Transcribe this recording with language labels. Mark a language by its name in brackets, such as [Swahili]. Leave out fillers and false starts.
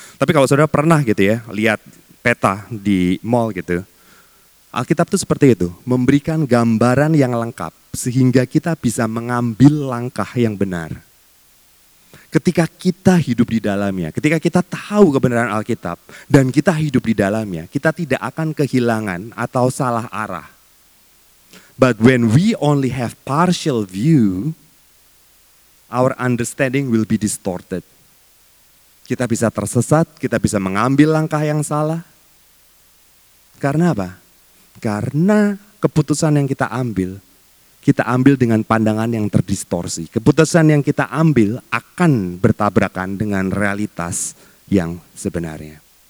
[Indonesian] Tapi kalau sudah pernah gitu ya, lihat peta di mall gitu, Alkitab itu seperti itu, memberikan gambaran yang lengkap sehingga kita bisa mengambil langkah yang benar. Ketika kita hidup di dalamnya, ketika kita tahu kebenaran Alkitab dan kita hidup di dalamnya, kita tidak akan kehilangan atau salah arah. [English] But when we only have partial view, our understanding will be distorted. [Indonesian] Kita bisa tersesat, kita bisa mengambil langkah yang salah. Karena apa? Karena keputusan yang kita ambil dengan pandangan yang terdistorsi. Keputusan yang kita ambil akan bertabrakan dengan realitas yang sebenarnya.